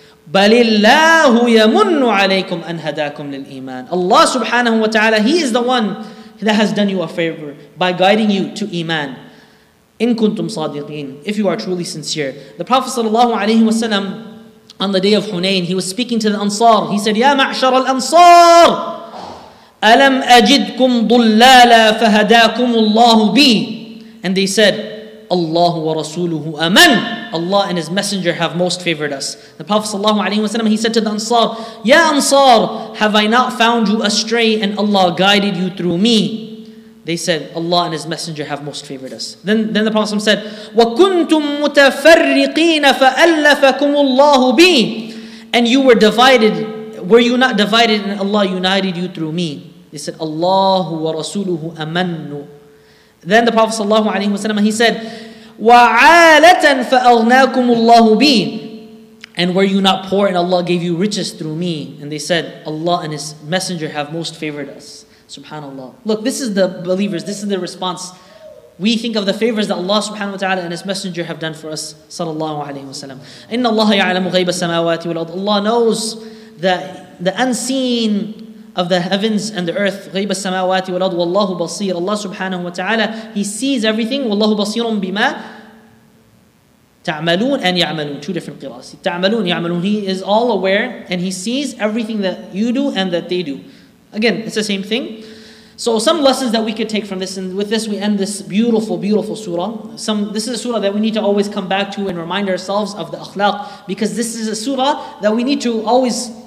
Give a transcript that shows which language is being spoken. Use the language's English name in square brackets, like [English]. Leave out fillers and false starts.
[Arabic] بَلِ اللَّهُ يَمُنُّ عَلَيْكُمْ أَنْ هَدَاكُمْ لِلْإِيمَانِ. [English] Allah subhanahu wa ta'ala, he is the one that has done you a favor by guiding you to Iman. [Arabic] إِن كُنْتُمْ صَادِقِينَ. [English] If you are truly sincere. The Prophet sallallahu alayhi wa sallam, on the day of Hunayn, he was speaking to the Ansar. He said, [Arabic] يَا مَعْشَرَ الْأَنصَارِ أَلَمْ أَجِدْكُمْ ضُلَّالًا فَهَدَاكُمُ اللَّهُ بِي. [English] And they said, Allah wa rasuluhu aman. Allah and his messenger have most favored us. The Prophet sallallahu alayhi wa sallam, he said to the Ansar, Ya Ansar, have I not found you astray and Allah guided you through me? They said, Allah and his messenger have most favored us. Then the Prophet said, Wa kuntum mutafarriqina fa alafakumullahu bi. And you were divided, were you not divided and Allah united you through me? They said, Allah wa rasuluhu amanu. Then the Prophet sallallahu alayhi wa sallam, he said, [Arabic] وَعَالَةً فَأَغْنَاكُمُ اللَّهُ بِي. [English] And were you not poor and Allah gave you riches through me? And they said, Allah and his messenger have most favored us. SubhanAllah. Look, this is the believers, this is the response. We think of the favors that Allah subhanahu wa ta'ala and his messenger have done for us. [Arabic] Sallallahu alayhi wa sallam. إِنَّ اللَّهَ يَعْلَمُ غَيْبَ السَّمَاوَاتِ وَالْأَرْضِ. [English] Allah knows that the unseen of the heavens and the earth, [Arabic] غيب السماوات والأرض والله بصير. [English] Allah subhanahu wa ta'ala, he sees everything. [Arabic] والله بصير بما تعملون and يعملون. [English] Two different قراءات. [Arabic] تعملون يعملون. [English] He is all aware and he sees everything that you do and that they do. Again, it's the same thing. So some lessons that we could take from this, and with this we end this beautiful, beautiful surah. This is a surah that we need to always come back to and remind ourselves of the akhlaq, because this is a surah that we need to always.